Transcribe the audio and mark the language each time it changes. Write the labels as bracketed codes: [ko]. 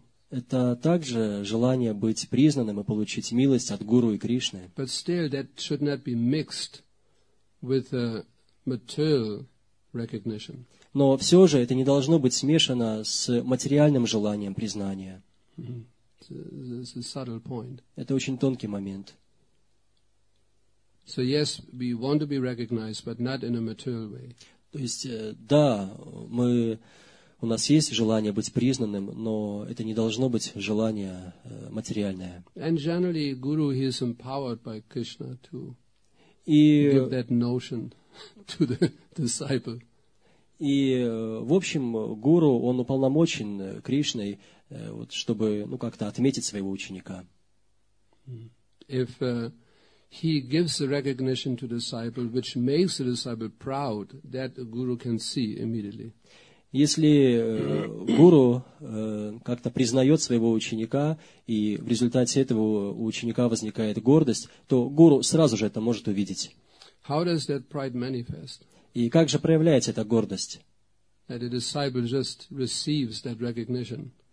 [ru] Это также желание быть признанным и получить милость от Гуру и Кришны. [en] But still, that should not be mixed with a material recognition. [ru] Но все же это не должно быть смешано с материальным желанием признания. [en] It's a subtle point. [ru] Это очень тонкий момент. [en] So yes, we want to be recognized, but not in a material way. [ru] То есть, да, мы, у нас есть желание быть признанным, но это не должно быть желание материальное. [en] And generally, Guru, he is empowered by Krishna to give that notion to the disciple. [ru] И, в общем, Гуру, он уполномочен Кришной, вот, чтобы, ну, как-то отметить своего ученика. [en] If He gives the recognition to the disciple, which makes the disciple proud, that the guru can see immediately. [ru] Если гуру как-то признает своего ученика, и в результате этого у ученика возникает гордость, то гуру сразу же это может увидеть. [en] How does that pride manifest? [ru] И как же проявляется эта гордость? [en] That the disciple just receives that recognition.